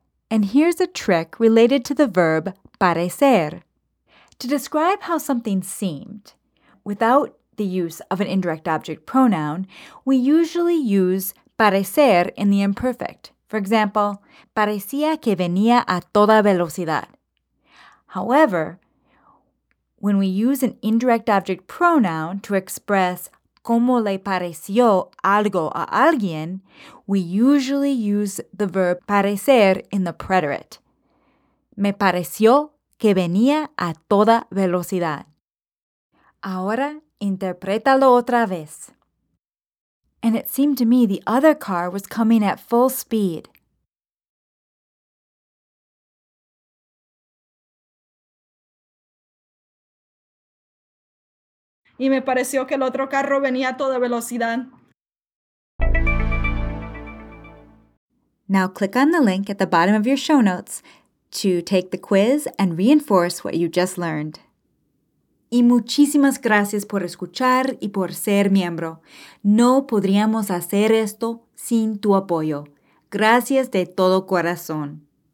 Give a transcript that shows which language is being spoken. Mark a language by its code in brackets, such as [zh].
[en] And here's a trick related to the verb parecer. To describe how something seemed, without the use of an indirect object pronoun, we usually use parecer in the imperfect. For example, [es] parecía que venía a toda velocidad. [en] However, when we use an indirect object pronoun to express [es] cómo le pareció algo a alguien, [en] we usually use the verb parecer in the preterite. [es] Me pareció que venía a toda velocidad. Ahora, interprétalo otra vez. [en] And it seemed to me the other car was coming at full speed. [es] Y me pareció que el otro carro venía a toda velocidad. [en] Now click on the link at the bottom of your show notes to take the quiz and reinforce what you just learned. [es] Y muchísimas gracias por escuchar y por ser miembro. No podríamos hacer esto sin tu apoyo. Gracias de todo corazón.